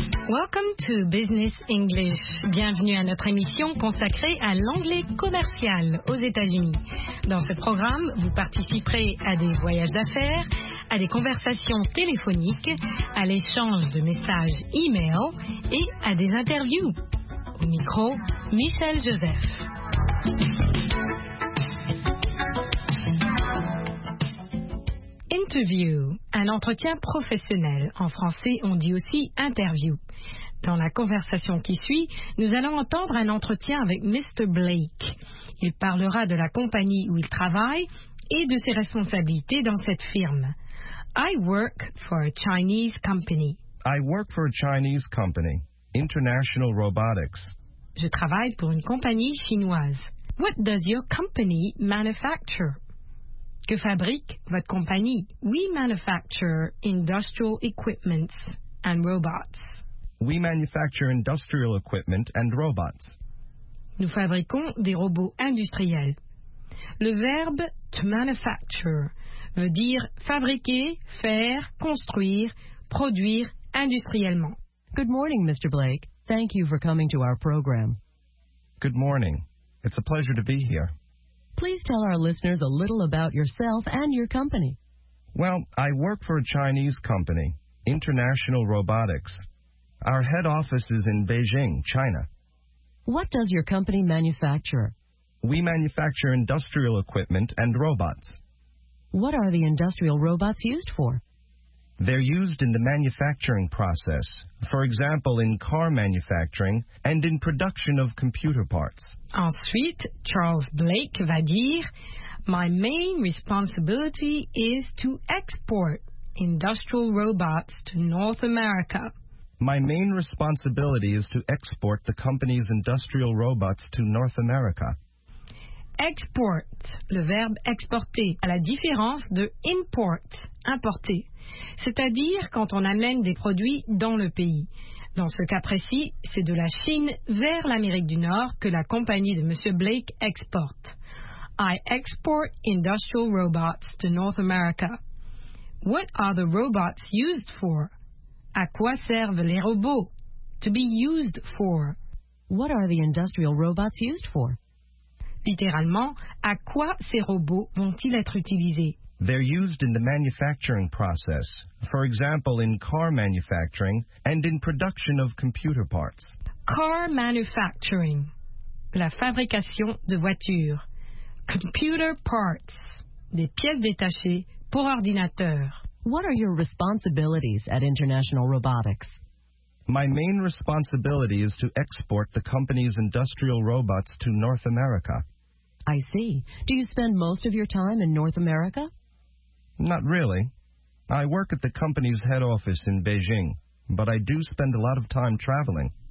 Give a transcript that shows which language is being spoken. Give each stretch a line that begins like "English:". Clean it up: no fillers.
English: Welcome to Business English.
French: Bienvenue à notre émission consacrée à l'anglais commercial aux États-Unis. Dans ce programme, vous participerez à des voyages d'affaires, à des conversations téléphoniques, à l'échange de messages e-mail et à des interviews. Au micro, Michel Joseph. Interview, un entretien professionnel. En français, on dit aussi interview. Dans la conversation qui suit, nous allons entendre un entretien avec Mr. Blake. Il parlera de la compagnie où il travaille et de ses responsabilités dans cette firme.
English: I work for a Chinese company. I work for a Chinese company, International Robotics.
French: Je travaille pour une compagnie chinoise.
English: What does your company manufacture?
French: Que fabrique votre compagnie?
English: We manufacture industrial equipment and robots. We manufacture industrial equipment and robots.
French: Nous fabriquons des robots industriels. Le verbe to manufacture veut dire fabriquer, faire, construire, produire industriellement.
English: Good morning, Mr. Blake. Thank you for coming to our program. Good morning. It's a pleasure to be here. Please tell our listeners a little about yourself and your company. Well, I work for a Chinese company, International Robotics. Our head office is in Beijing, China. What does your company manufacture? We manufacture industrial equipment and robots. What are the industrial robots used for? They're used in the manufacturing process, for example, in car manufacturing and in production of computer parts.
French: Ensuite, Charles Blake va dire,
English: My main responsibility is to export industrial robots to North America. My main responsibility is to export the company's industrial robots to North America.
French: Export, le verbe exporter, à la différence de import, importer, c'est-à-dire quand on amène des produits dans le pays. Dans ce cas précis, c'est de la Chine vers l'Amérique du Nord que la compagnie de M. Blake exporte.
English: I export industrial robots to North America. What are the robots used for?
French: À quoi servent les robots?
English: To be used for. What are the industrial robots used for?
French: Littéralement, à quoi ces robots vont-ils être utilisés?
English: They're used in the manufacturing process. For example, in car manufacturing and in production of computer parts. Car manufacturing.
French: La fabrication de voitures.
English: Computer parts.
French: Des pièces détachées pour ordinateurs.
English: What are your responsibilities at International Robotics? My main responsibility is to export the company's industrial robots to North America. I see. Do you spend most of your time in North America? Not really. I work at the company's head office in Beijing, but I do spend a lot of time traveling.